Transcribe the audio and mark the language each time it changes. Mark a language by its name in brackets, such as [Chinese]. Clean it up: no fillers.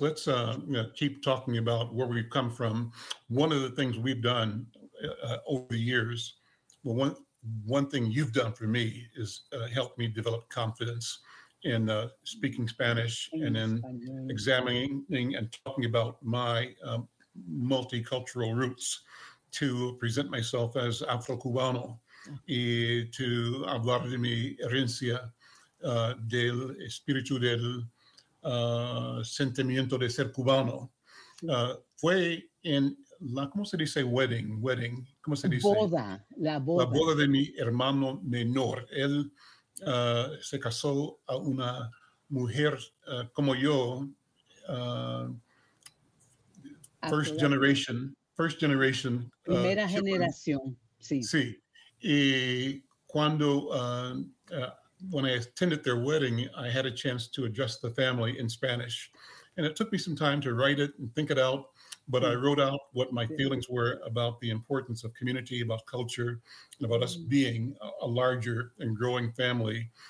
[English] Let's keep talking about where we've come from. One of the things we've done over the years, well, one thing you've done for me is helped me develop confidence in speaking Spanish and in examining and talking about my multicultural roots to present myself as Afro-Cubano. [Spanish] Y to hablar de mi herencia del espíritu del sentimiento de ser cubano. Fue en la, ¿cómo se dice? Wedding. ¿Cómo se dice? La boda. La boda de mi hermano menor. Él se casó a una mujer como yo, [English] first generation. [Spanish] Primera generación, sí. Sí. Y cuando, [English] when I attended their wedding, I had a chance to address the family in Spanish. And it took me some time to write it and think it out, but I wrote out what my feelings were about the importance of community, about culture, and about us being a larger and growing family.